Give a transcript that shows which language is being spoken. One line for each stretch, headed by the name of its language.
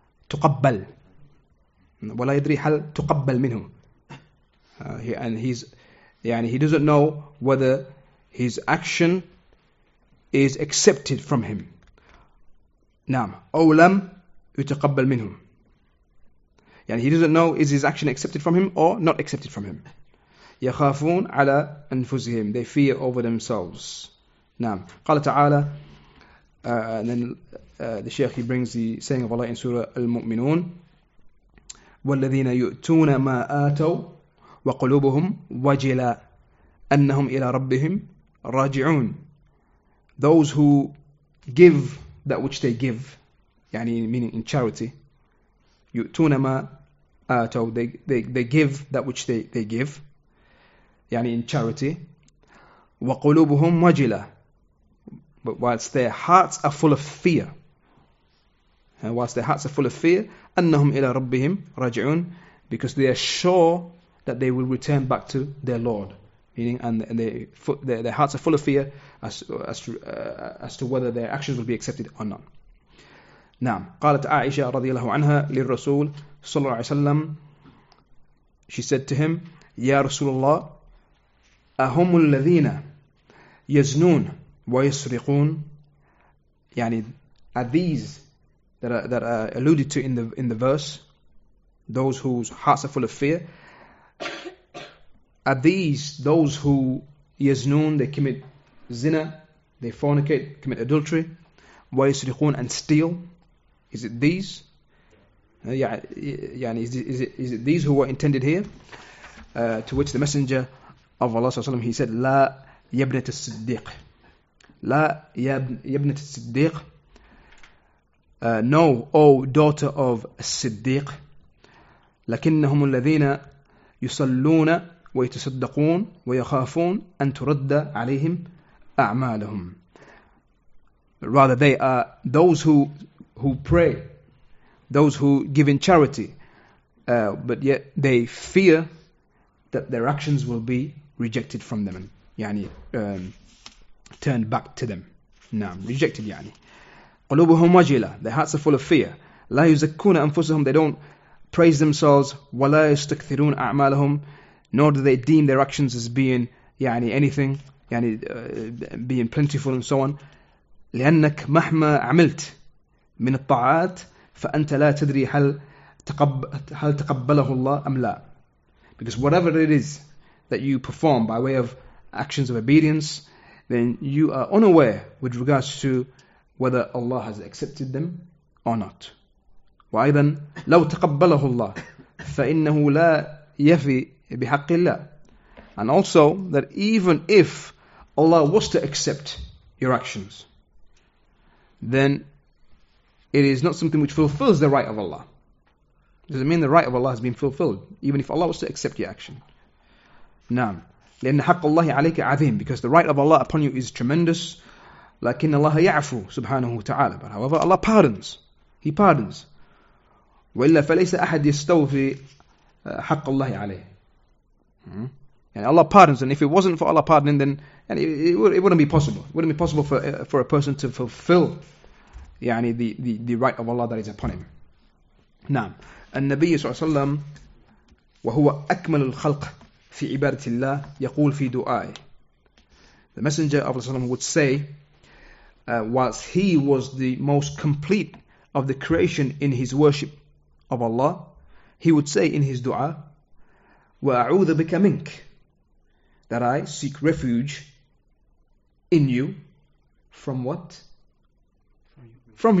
Arabic: تقبل. ولا يدري هل تقبل منه.
English: He doesn't know whether his action is accepted from him.
Arabic: Naam. أو لم يتقبل منهم.
English: He doesn't know, is his action accepted from him or not accepted from him.
Arabic: يخافون على أنفسهم.
English: They fear over themselves. Naam.
Arabic: قال تعالى,
English: and then the Shaykh, he brings the saying of Allah in Surah Al-Mu'minun.
Arabic: والذين يؤتون ما آتوا وقلوبهم وجلا أنهم إلى ربهم راجعون.
English: Those who give that which they give, يعني meaning in charity,
Arabic: يؤتون ما آتوا,
English: they give that which they give, يعني in charity,
Arabic: وقلوبهم وجلا,
English: but whilst their hearts are full of fear, and whilst their hearts are full of fear,
Arabic: أنهم إلى ربهم راجعون,
English: because they are sure that they will return back to their Lord. Meaning, and their hearts are full of fear as to whether their actions will be accepted or not.
Arabic: Naam. قالت عائشة رضي الله عنها للرسول صلى الله عليه وسلم.
English: She said to him,
Arabic: يا رسول الله, أهم الذين يزنون ويسرقون.
English: يعني, are these that are alluded to in the verse, those whose hearts are full of fear, are these those who yaznoon, they commit zina, they fornicate, commit adultery,
Arabic: wa yasriqoon,
English: and steal? Is it these? Is it these who were intended here? To which the Messenger of Allah SWT, he said,
Arabic: La yabnat al-siddiq. La yabnat al-siddiq.
English: No, O daughter of al-siddiq.
Arabic: لكنهم الذين يصلون ويتصدقون ويخافون أن ترد عليهم أعمالهم.
English: Rather, they are those who pray, those who give in charity, but yet they fear that their actions will be rejected from them, turned back to them. نعم, rejected يعني.
Arabic: قلوبهم وجلة,
English: their hearts are full of fear.
Arabic: لا يزكون أنفسهم,
English: they don't praise themselves.
Arabic: ولا يستكثرون أعمالهم,
English: nor do they deem their actions as being being plentiful and so on.
Arabic: لأنك مهما عملت من الطاعات فأنت لا تدري هل تقبله الله أم لا.
English: Because whatever it is that you perform by way of actions of obedience, then you are unaware with regards to whether Allah has accepted them or not.
Arabic: وأيضا لو تقبله الله فإنه لا يفي بحق الله.
English: And also that even if Allah was to accept your actions, then it is not something which fulfills the right of Allah. Doesn't mean the right of Allah has been fulfilled, even if Allah was to accept your action. نعم.
Arabic: لأن حق الله عليك عظيم,
English: because the right of Allah upon you is tremendous.
Arabic: لكن الله يعفو سبحانه وتعالى.
English: But however, Allah pardons. He pardons.
Arabic: وإلا فليس أحد يستوفي حق الله عليه.
English: And Allah pardons, and if it wasn't for Allah pardoning, then it wouldn't be possible. It wouldn't be possible for a person to fulfill the right of Allah that is upon him.
Arabic: Naam. النبي صلى الله عليه وسلم وهو أكمل الخلق في عبادة الله يقول في دعاء.
English: The Messenger of Allah would say, whilst he was the most complete of the creation in his worship of Allah, he would say in his dua,
Arabic: وأعوذ بك منك,
English: that I seek refuge in you from what? From you.